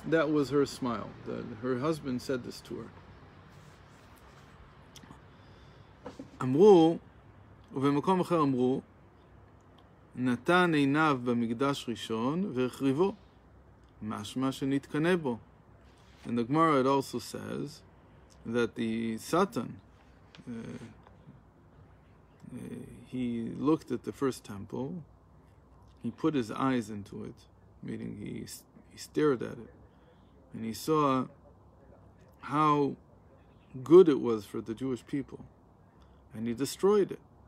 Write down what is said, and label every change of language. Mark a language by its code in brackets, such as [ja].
[en] That was her smile, that her husband said this to her. [he] אמרו, ובמקום אחר אמרו, נתן עיניו במקדש ראשון והחריבו, משמע שנתקנה בו. [en] And the Gemara it also says that the Satan, he looked at the first temple, he put his eyes into it, meaning he stared at it, and he saw how good it was for the Jewish people. And he destroyed it.